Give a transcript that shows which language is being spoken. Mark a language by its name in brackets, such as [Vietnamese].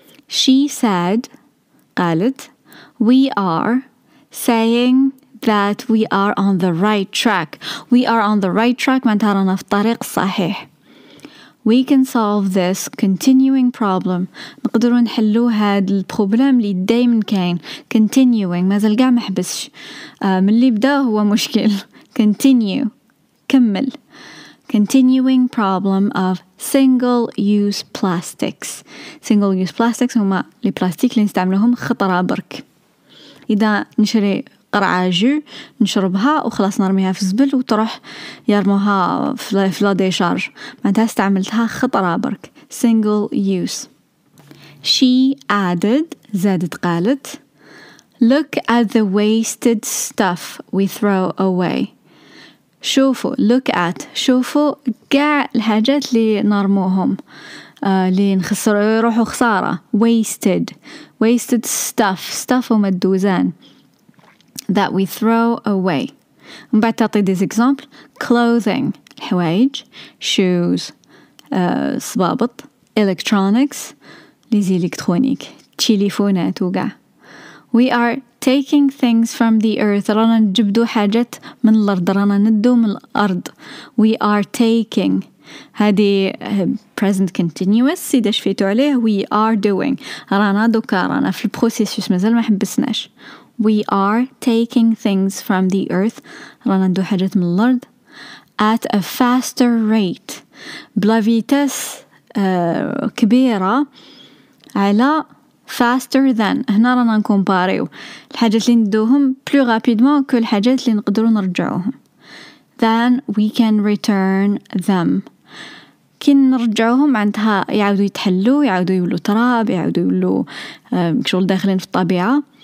[English] She said قالت we are saying that we are on the right track. We are on the right track معناتها رانا في الطريق الصحيح. we can solve this continuing problem. [Arabic] نقدروا نحلو هاد البروبلم اللي دايما كاين continuing، مازال قاع ما حبسش من اللي بدا هو مشكل. continue كمل. [English] continuing problem of single use plastics. [Arabic] single use plastics هما البلاستيك اللي نستعملوهم خطرة برك. اذا نشري قرعة جو نشربها وخلاص نرميها في الزبل وتروح يرموها في لا ديشارج، معناتها استعملتها خطرة برك. [English] single use. she added، زادت قالت، look at the wasted stuff we throw away. [Arabic] شوفوا، look at، شوفوا كاع الحاجات اللي نرموهم اللي نخسر يروحوا خسارة. [English] wasted، wasted stuff، stuff هما الدوزان that we throw away. [Arabic] بعد تعطي ديز اكزامبل، clothing، الحوايج، shoes، صبابط، electronics، ليز الكترونيك، تليفونات وكاع. we are taking things from the earth، رانا نجبدو حاجات من الارض، رانا ندو من الارض. we are taking، هادي present continuous، سيداش فيتو عليه، we are doing، رانا دوكا رانا في البروسيسوس مازال ما حبسناش. [English] we are taking things from the earth، رانا ندو حاجات من الارض. [Arabic] at a faster rate، بلا فيتاس كبيرة، على faster than، هنا رانا نكومباريو الحاجات اللي ندوهم بلو غابيدمون كل الحاجات اللي نقدروا نرجعوهم. then we can return them، كي نرجعوهم عندها يعاودوا يتحلوا، يعاودوا يولوا تراب، يعاودوا يولوا شغل داخلين في الطبيعة.